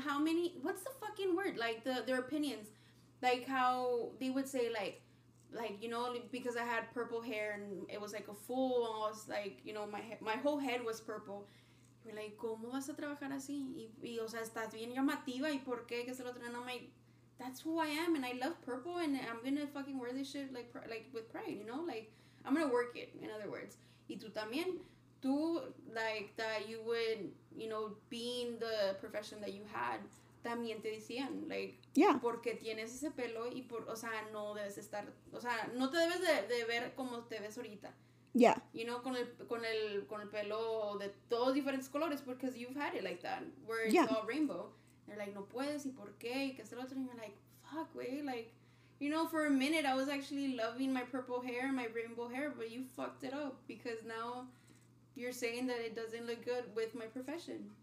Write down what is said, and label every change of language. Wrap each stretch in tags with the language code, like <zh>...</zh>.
<en>How many, what's the fucking word? Like, their opinions. Like, how they would say, like, you know, because I had purple hair and it was like a full, almost like, you know, my whole head was purple. You were like,</en> <es>¿cómo vas a trabajar así? Y o sea, estás bien llamativa, ¿y por qué? ¿Qué es el otro?</es> <en>And I'm like, that's who I am, and I love purple, and I'm gonna fucking wear this shit, like with pride, you know? Like, I'm gonna work it, in other words.</en> <es>Y tú también, tú,</es> <en>like, that you would, you know, being the profession that you had,</en> <es>también te decían, like, porque tienes ese pelo y por, o sea, no debes estar, o sea, no te debes de ver como te ves ahorita.</es> <en>Yeah. You know,</en> <es>con el pelo de todos diferentes colores,</es> <en>because you've had it like that, where it's all rainbow. They're like,</en> <es>no puedes, y por qué, y que es el otro,</es> <en>and you're like, fuck, wey, like, you know, for a minute, I was actually loving my purple hair, my rainbow hair, but you fucked it up, because now you're saying that it doesn't look good with my profession.</en>